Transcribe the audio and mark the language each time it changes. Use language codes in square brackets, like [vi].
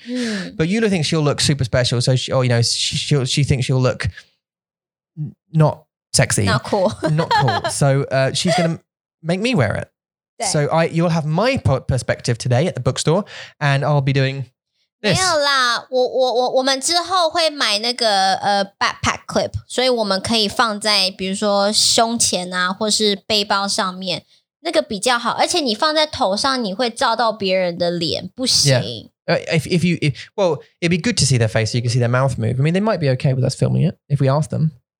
[en] But Yula thinks she'll look super special. So, she thinks she'll look not sexy. Not cool. Not cool. So she's going to make me wear it. So you'll have my perspective today at the bookstore and I'll be doing this. [zh] 没有啦,我们之后会买那个 backpack clip, 所以我们可以放在比如说胸前啊,或是背包上面,那个比较好, 而且你放在头上你会照到别人的脸,不行。 [en] If it'd be good to see their face so you can see their mouth move. I mean, they might be okay with us filming it if we ask them.